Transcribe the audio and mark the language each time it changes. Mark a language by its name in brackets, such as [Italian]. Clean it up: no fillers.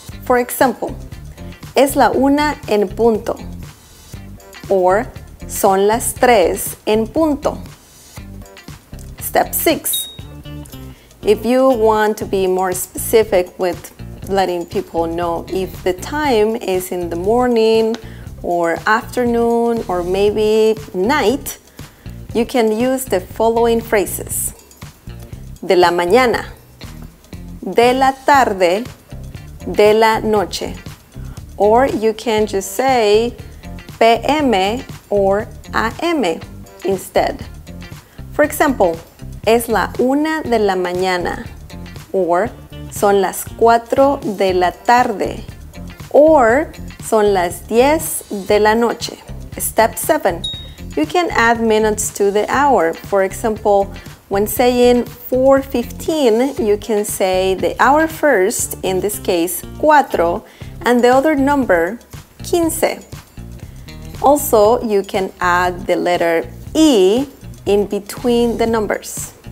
[English] For example, [Spanish] es la una en punto, [English] or [Spanish] son las tres en punto. [English] Step 6. If you want to be more specific with letting people know if the time is in the morning or afternoon or maybe night, you can use the following phrases. [Spanish] De la mañana, de la tarde, de la noche. [English] Or you can just say PM or AM instead. For example, [Spanish] es la una de la mañana, [English] or [Spanish] son las cuatro de la tarde, [English] or [Spanish] son las diez de la noche. [English] Step 7, you can add minutes to the hour. For example, when saying 4:15, you can say the hour first, in this case, cuatro, and the other number, 15. Also, you can add the letter E in between the numbers.